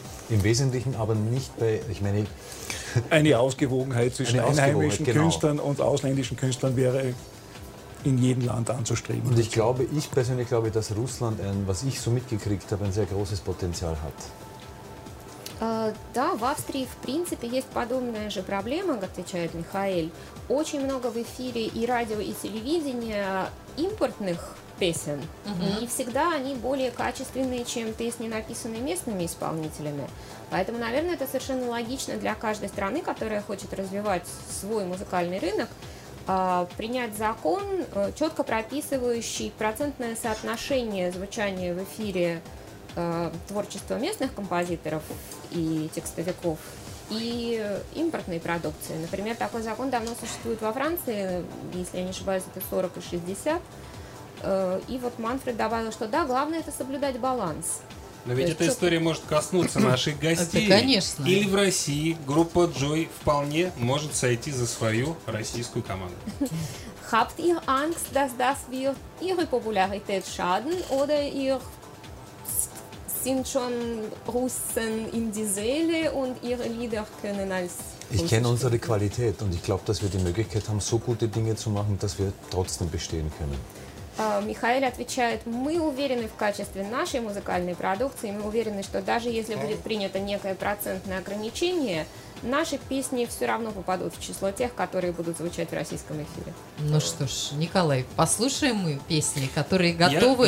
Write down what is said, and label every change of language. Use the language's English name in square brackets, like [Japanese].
[German] Im Wesentlichen aber nicht bei, ich meine... Eine Ausgewogenheit zwischen einheimischen Künstlern und ausländischen Künstlern wäre in jedem Land anzustreben. Und ich glaube, ich persönlich glaube, dass Russland, was ich so mitgekriegt habe, ein sehr großes Potenzial hat. [Russian] Да, в Австрии, в принципе, есть подобная же проблема, отвечает Михаил. Очень много в эфире и радио, и телевидения импортных песен. Mm-hmm. И всегда они более качественные, чем песни, написанные местными исполнителями. Поэтому, наверное, это совершенно логично для каждой страны, которая хочет развивать свой музыкальный рынок, принять закон, четко прописывающий процентное соотношение звучания в эфире творчества местных композиторов и текстовиков, и импортной продукции. Например, такой закон давно существует во Франции, если я не ошибаюсь, это 40 и 60. И вот Манфред добавил, что да, главное это соблюдать баланс. Но ведь эта история может коснуться наших гостей. Это, конечно. Или в России группа Joy вполне может сойти за свою российскую команду. [German] Habt ihr Angst, dass das wird ihre Popularität schaden oder ihr sind schon Russen in die Seele und ihre Lieder können als Russen. Ich kenne unsere Qualität und ich glaube, dass wir die Möglichkeit haben, so gute Dinge zu machen, dass wir trotzdem bestehen können. [Russian] Михаил отвечает, мы уверены в качестве нашей музыкальной продукции, мы уверены, что даже если будет принято некое процентное ограничение, наши песни все равно попадут в число тех, которые будут звучать в российском эфире. Ну что ж, Николай, послушаем мы песни, которые готовы